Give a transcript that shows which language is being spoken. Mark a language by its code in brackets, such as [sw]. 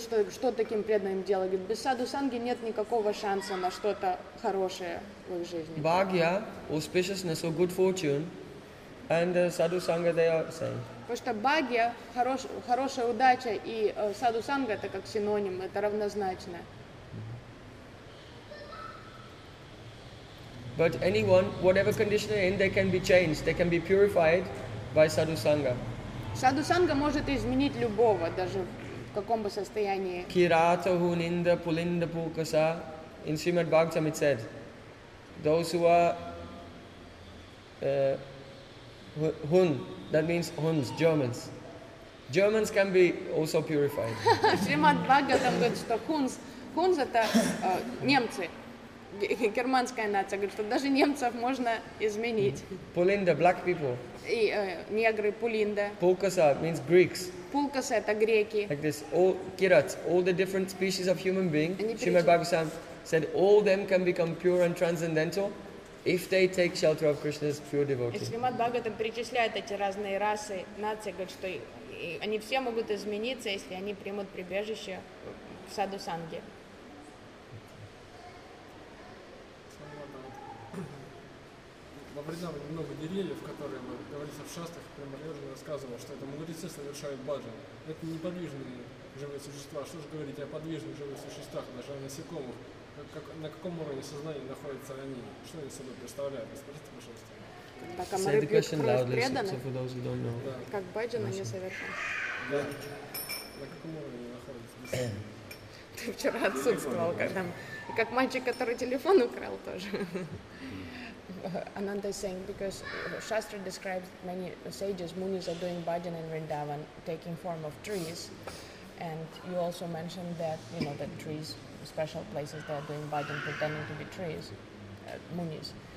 [ru] Что таким преданным делать? Говорит, без саду санги нет никакого шанса на что-то хорошее в их жизни. [en] Bhagya, auspiciousness or good fortune, and sadhu sangha they are same. [ru] Потому что bhagya, хорошая удача и саду санга это как синоним, это равнозначно. [en] But anyone, whatever condition they're in, they can be changed, they can be purified by sadhu sangha. [ru] Саду санга может изменить любого, даже в каком бы состоянии. [sa] Кирата хунинда пулинда пукаса. [en] In Srimad Bhagavatam it said, those who are hun, that means huns, Germans. Germans can be also purified. [ru] Srimad Bhagavatam говорит, что хунс это немцы. Германская нация говорит, что даже немцев можно изменить. [en] Пулинда, black people. [ru] И негры, пулинда. [en] Пулкаса means Greeks. [ru] Пулкаса это греки. [en] Like this, all kirats, all the different species of human being. Srimad Bhagavatam said all them can become pure and transcendental if they take shelter of Krishna's pure devotees. [ru] Srimad Bhagavatam перечисляет эти разные расы, нации, говорит, что они все могут измениться, если они примут прибежище в саду санги. Во Вриндаване много деревьев, которые, говорится, в шастрах, прямо я уже рассказывал, что это мудрецы совершают баджан. Это неподвижные живые существа. Что же говорить о подвижных живых существах, даже о насекомых? На каком уровне сознания находятся они? Что они собой представляют? Расскажите, пожалуйста. Так, а мы рыбьют кровь преданных? Как баджан они совершают? На каком уровне находятся? Ты вчера отсутствовал, когда... Как мальчик, который телефон украл тоже. [en] Ananda is saying, because Shastra describes many sages, munis are doing bhajan in Vrindavan, taking form of trees, and you also mentioned that, you know, that trees, special places, they are doing bhajan, pretending to be trees, munis.